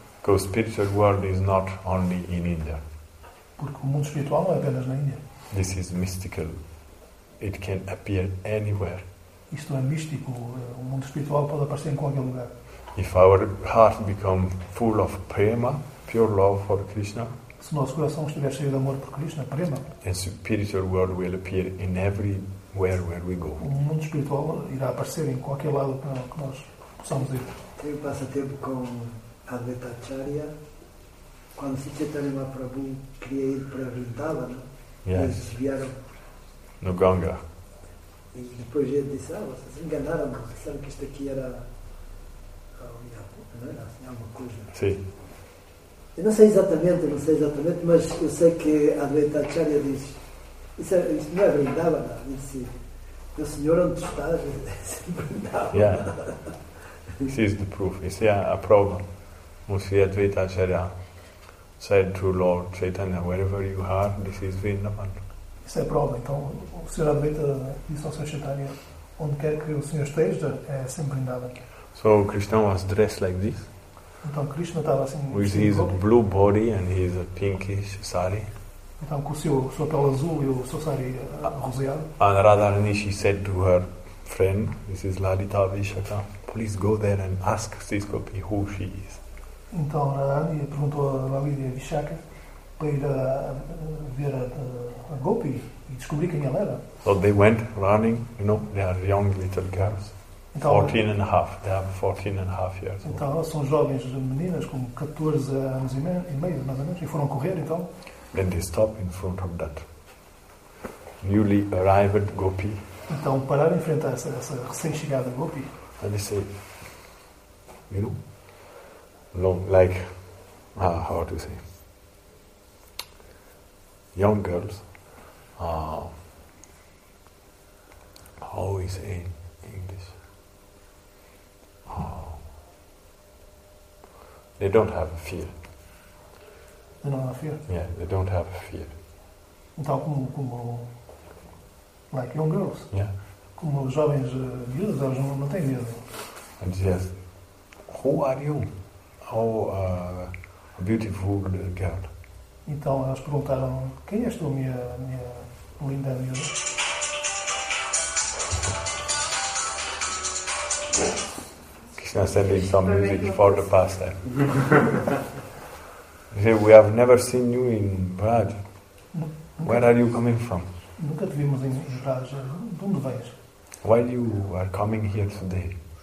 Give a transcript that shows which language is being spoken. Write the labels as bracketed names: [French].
[English] Because spiritual world is not only in India. [Portuguese] Porque o mundo espiritual não é apenas na Índia. [English] This is mystical. It can appear anywhere. [Portuguese] Isto é místico, o mundo espiritual pode aparecer em qualquer lugar. [English] If our heart become full of prema, pure love for Krishna, [Portuguese] se o nosso coração estiver cheio de amor por Krishna, prema, [English] the spiritual world will appear in everywhere where we go. [Portuguese] O mundo espiritual irá aparecer em qualquer lado que nós possamos ir. Tenho passatempo com Advaita Acharya. Quando se Chaitanya Mahaprabhu queria ir para Vrindavan, [English] yes, [Portuguese] eles vieram no Ganga. E depois ele disse, vocês enganaram-me, disseram que isto aqui era, não era assim, alguma coisa. Sim. Eu não sei exatamente, mas eu sei que a Advaita Acharya diz, isso não é Vrindavan, disse, meu senhor, onde estás? É Vrindavan. [English] Yeah. This is the proof, [Portuguese] isso é a prova. [English] Monsieur Advaita Acharya said to Lord Chaitanya, wherever you are, this is Vrindavan. [Portuguese] Isso é prova. Então, o Sr. Advaita disse ao Sr. Chaitanya, onde quer que o Senhor esteja, é sempre Vrindavan. [English] So Krishna was dressed like this. [Portuguese] Então Krishna estava assim. [English] With his blue body and his pinkish sari. [Portuguese] Então com o seu sua pele azul e o seu sari roseado. [English] And Radharani, she said to her friend, this is Lalita Vishaka, please go there and ask Siskopi who she is. [Portuguese] Então Radharani perguntou a Lalita Vishaka para ir ver a Gopi e descobrir quem ela era. [English] So they went running, you know, they are young little girls. [Portuguese] Então, [English] 14 and a half. They have 14 and a half years. [Portuguese] Então, elas são jovens meninas com 14 anos e meio, mais ou menos, e foram correr, então. [English] Then they stop in front of that newly arrived gopi. [Portuguese] Então, pararam em frente a essa recém-chegada gopi. [English] And they say, you know, long, like, how to say, young girls, always in English. They don't have a fear. They don't have a fear? Yeah, they don't have a fear. [Portuguese] Então, como [English] like young girls? Yeah. [Portuguese] Como jovens viúvas, elas não têm medo. [English] And she asked, who are you? How a beautiful girl. [Portuguese] Então, elas perguntaram, quem és tu, minha linda viúva? [English] Krishna sending some music for the pastime. Say, we have never seen you in Braj. Where are you coming from? [Portuguese] Nunca te vimos em Braj. De onde vens? [English] Why you are coming here today?